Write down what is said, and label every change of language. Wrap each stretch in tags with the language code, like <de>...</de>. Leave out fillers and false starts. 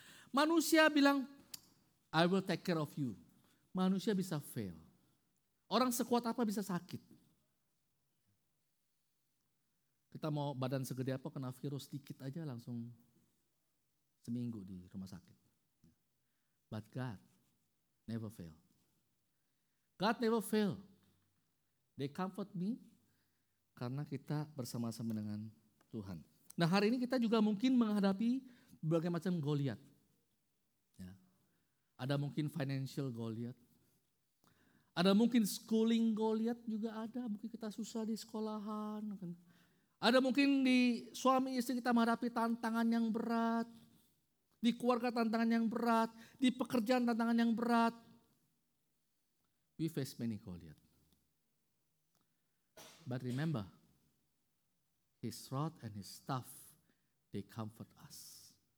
<id>Manusia bilang,</id> <en>I will take care of you.</en> <id>Manusia bisa fail. Orang sekuat apa bisa sakit. Kita mau badan segede apa, kena virus sedikit aja langsung seminggu di rumah sakit.</id> <en>But God never fail. God never fail. They comfort me</en> <id>karena kita bersama-sama dengan Tuhan. Nah hari ini kita juga mungkin menghadapi berbagai macam Goliat. Ya. Ada mungkin financial Goliat. Ada mungkin schooling Goliat juga ada. Mungkin kita susah di sekolahan. Ada mungkin di suami istri kita menghadapi tantangan yang berat. Di keluarga tantangan yang berat. Di pekerjaan tantangan yang berat.</id> <en>We face many Goliat. But remember, his rod and his staff, they comfort us.</en>